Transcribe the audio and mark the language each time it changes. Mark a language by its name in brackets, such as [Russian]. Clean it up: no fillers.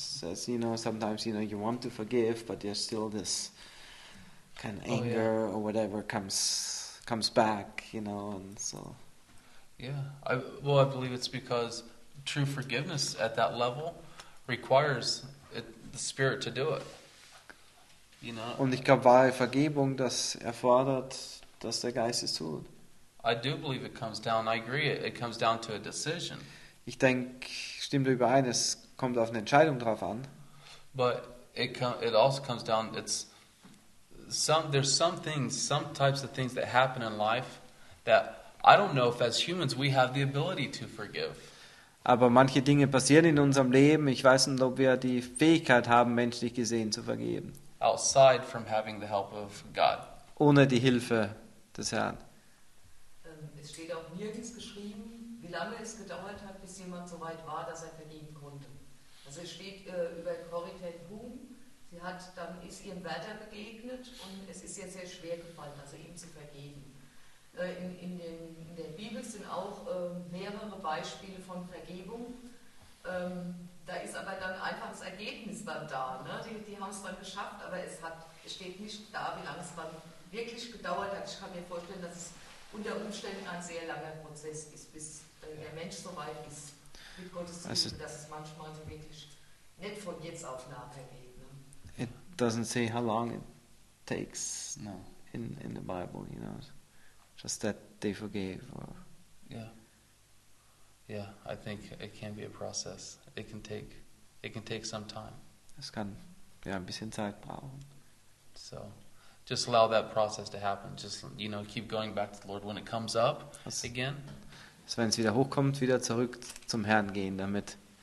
[English] As you know, sometimes you know you want to forgive, but there's still this kind of anger, oh, yeah, or whatever comes back, you know, and so. Yeah, I believe it's because true forgiveness at that level requires the Spirit to do it. You know. [German] Und ich glaube, wahre Vergebung, das erfordert, dass der Geist es tut. [English] I do believe it comes down. I agree. It comes down to a decision. [German] Ich denke, stimmt überein. Es kommt auf eine Entscheidung drauf an. [English] But it also comes down. It's some. There's some things, some types of things that happen in life that I don't know if as humans we have the ability to forgive. [German] Aber manche Dinge passieren in unserem Leben. Ich weiß nicht, ob wir die Fähigkeit haben, menschlich gesehen zu vergeben. [English] Outside from having the help of God. [German] Ohne die Hilfe des Herrn. Es steht auch nirgends geschrieben, wie lange es gedauert hat, bis jemand so weit war, dass er vergeben konnte. Also es steht über Corrie ten Boom, sie hat, dann ist ihrem Wärter begegnet und es ist ihr sehr schwer gefallen, also ihm zu vergeben. In der Bibel sind auch mehrere Beispiele von Vergebung. Da ist aber dann einfach das Ergebnis dann da. Ne? Die haben es dann geschafft, aber es steht nicht da, wie lange es dann wirklich gedauert hat. Ich kann mir vorstellen, dass es unter Umständen ein sehr langer Prozess ist, bis der Mensch so weit ist, mit Gottes Hilfe, also, dass es manchmal so wirklich nicht von jetzt auf nachher geht. Ne? [English] It doesn't say how long it takes, no, in the Bible, you know, just that they forgave. Or... Yeah. Yeah, I think it can be a process. It can take some time. [German] Es kann ja ein bisschen Zeit brauchen. [English] So. Just allow that process to happen. Just, you know, keep going back to the Lord when it comes up again. [German] So wenn es wieder hochkommt, wieder zurück zum Herrn gehen damit.